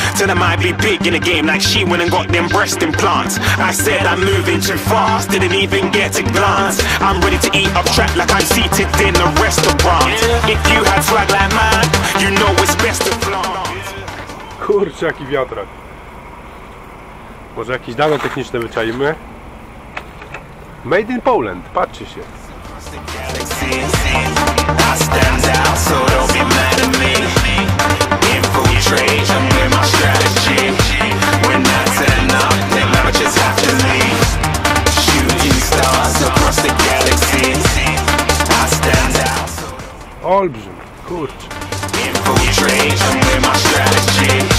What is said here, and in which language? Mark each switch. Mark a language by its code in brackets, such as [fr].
[en] Tell them I'd be big in a game like she went and got them breast implants. I said I'm moving too fast. Didn't even get a glance. I'm ready to eat up track like I'm seated in a restaurant. If you had swag like mine, you know it's best to flaunt. [pl] Kurczę, jaki wiatrak. Może jakieś dane techniczne wyczajmy. [en] Made in Poland, [pl] patrzy się. [en] Stands out, so don't be mad at me. Infiltration with my strategy. When that's enough, then I just have to leave. Shooting stars across the galaxy. I stand out. [pl] Olbrzym, kurcz. [en] Infiltration with my strategy.